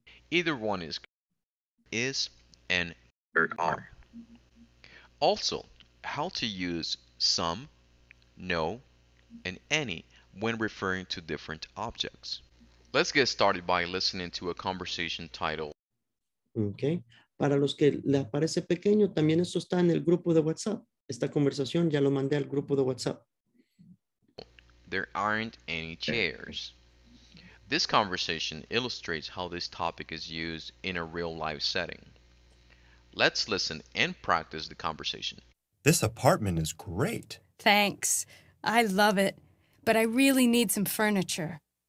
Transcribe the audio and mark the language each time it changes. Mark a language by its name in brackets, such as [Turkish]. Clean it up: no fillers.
[English] Either one is and there are. Also, how to use some, no, and any when referring to different objects. Let's get started by listening to a conversation title. Okay. [Spanish] Para los que les parece pequeño, también eso está en el grupo de WhatsApp. Esta conversación ya lo mandé al grupo de WhatsApp. [English] There aren't any chairs. This conversation illustrates how this topic is used in a real-life setting. Let's listen and practice the conversation. This apartment is great. Thanks. I love it, but I really need some furniture.